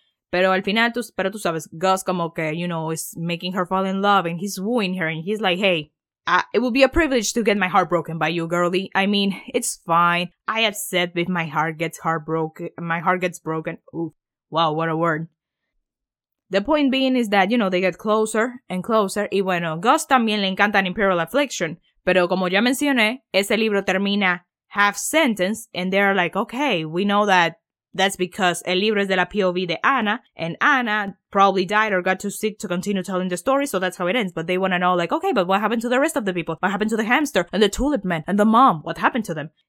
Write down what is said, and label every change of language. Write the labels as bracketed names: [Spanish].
[Spanish] Pero al final, tú sabes, Gus como que, [English] you know, is making her fall in love and he's wooing her. And he's like, hey, it would be a privilege to get my heart broken by you, girlie. I mean, it's fine. I accept if my heart gets broken. Ooh, wow, what a word. The point being is that, you know, they get closer and closer. [Spanish] Y bueno, Gus también le encanta An Imperial Affliction. Pero como ya mencioné, ese libro termina [English] half sentence and they're like, okay, we know that that's because [Spanish] el libro es de la POV de Anna [English] and Anna probably died or got too sick to continue telling the story, so that's how it ends. But they want to know like, okay, but what happened to the rest of the people? What happened to the hamster and the tulip man and the mom? What happened to them?